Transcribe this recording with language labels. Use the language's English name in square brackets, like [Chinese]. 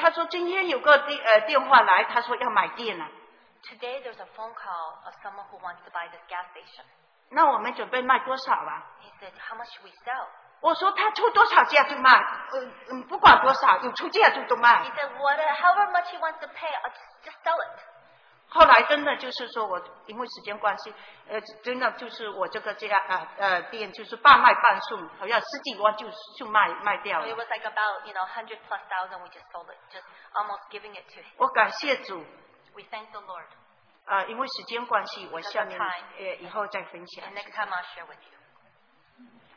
[Chinese] 他说今天有个电话来，他说要买电了。 [English] Today there's a phone call of someone who wants to buy this gas station. [Chinese] 那我们准备卖多少啊? [English] He said, how much should we sell? [Chinese] 我说他出多少价就卖，不管多少，有出价就都卖。 [English] He said whatever, however much he wants to pay, I'll just sell it. [Chinese] 后来真的就是说我因为时间关系，真的就是我这个家店就是半卖半送，好像十几万就卖掉了。 [English] So、it was like about you know hundred plus thousand, we just sold it, just almost giving it to him. [Chinese] 我感谢主。 [English] We thank the Lord. [Chinese] 因为时间关系，我下面以后再分享。 [English] And next time I'll share with you.